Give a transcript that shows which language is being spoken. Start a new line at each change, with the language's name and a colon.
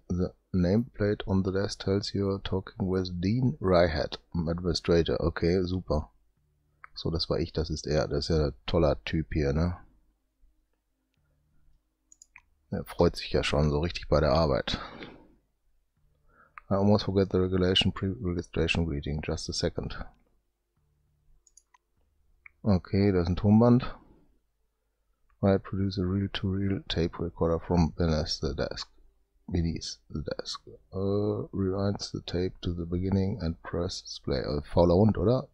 English: The nameplate on the desk tells you you're talking with Dean Ryhead, Administrator.
German: Okay, super. So, das war ich, das ist er. Das ist ja ein toller Typ hier, ne? Er freut sich ja schon so richtig bei der Arbeit.
English: I almost forget the regulation pre-registration greeting. Just a second.
German: Okay, da ist ein Tonband.
English: I produce a reel-to-reel tape recorder from beneath the desk. Rewinds the tape to the beginning and presses play.
German: Fauler Hund, oder?